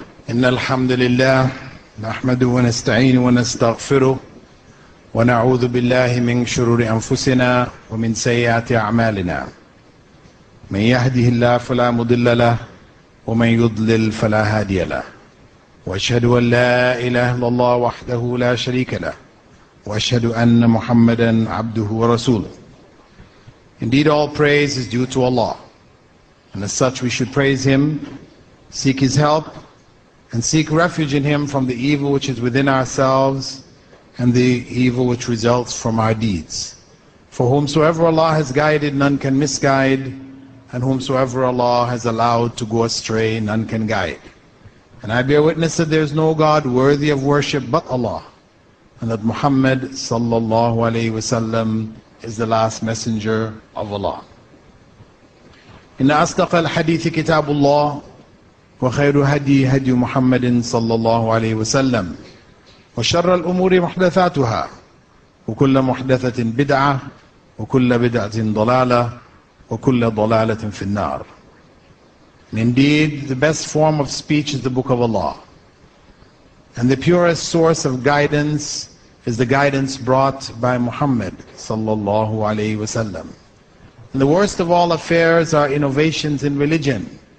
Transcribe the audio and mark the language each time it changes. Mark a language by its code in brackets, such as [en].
[ar] إن الحمد لله نحمده ونستعينه ونستغفره ونعوذ بالله من شرور أنفسنا ومن سيئات أعمالنا، من يهده الله فلا مضل له ومن يضلل فلا هادي له، وأشهد أن لا إله إلا الله وحده لا شريك له، وأشهد أن محمدا عبده ورسوله. [en] Indeed all praise is due to Allah, and as such we should praise Him, seek His help, and seek refuge in Him from the evil which is within ourselves and the evil which results from our deeds. For whomsoever Allah has guided, none can misguide, and whomsoever Allah has allowed to go astray, none can guide. And I bear witness that there is no God worthy of worship but Allah, and that Muhammad [ar] sallallahu alayhi wasallam [en] is the last messenger of Allah. [ar] Inna asdaqa al-hadithi kitabullah, وخير هدي هدي محمد صلى الله عليه وسلم وشر الأمور محدثاتها وكل محدثة بدعة وكل بدعة ضلالة وكل ضلالة في النار. [en] And indeed the best form of speech is the book of Allah, and the purest source of guidance is the guidance brought by Muhammad [ar] صلى الله عليه وسلم. [en] And the worst of all affairs are innovations in religion.